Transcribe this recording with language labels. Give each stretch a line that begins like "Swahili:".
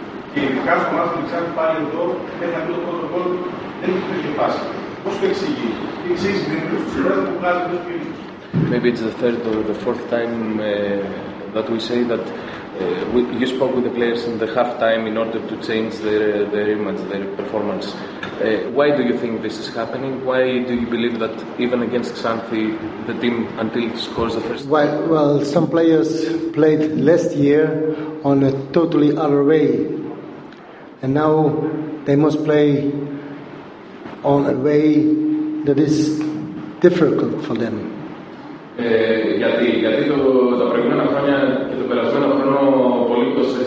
Greek: Και ειδικά στο μάτι του Τσάκου πάλι εδώ, δεν θα πει το πρώτο γκολ, δεν έχει τέτοια φάση. Πώς το εξηγεί, τι εξηγεί στην εικόνα του Τσάκου που βγάζει τόσο πίσω.
English: Maybe it's the third or the fourth time that we say that you spoke with the players in the half-time in order to change their image, their performance. Why do you think this is happening? Why do you believe that even against Xanthi, the team until it scores the first time? Well, some players played last year on a totally other way. And now they must play on a way that is difficult for them.
Greek: Γιατί τα προηγούμενα χρόνια και τον περασμένο χρόνο πολύ το